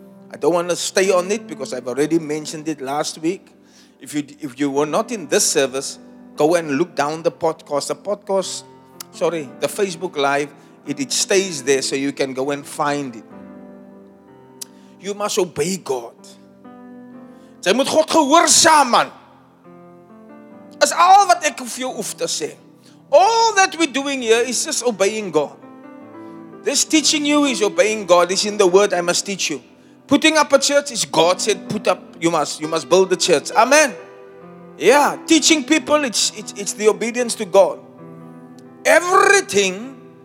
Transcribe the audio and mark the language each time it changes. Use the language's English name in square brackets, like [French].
[English] I don't want to stay on it because I've already mentioned it last week. If you were not in this service, go and look down the podcast. The Facebook Live, it stays there, so you can go and find it. You must obey God. [Afrikaans] Jy moet God gehoorsaam, man. Is al wat ek vir jou hoef te sê. [English] All that we're doing here is just obeying God. This teaching you is obeying God. It's in the word I must teach you. Putting up a church is God said, put up, you must build the church. Amen. Yeah, teaching people, it's the obedience to God. Everything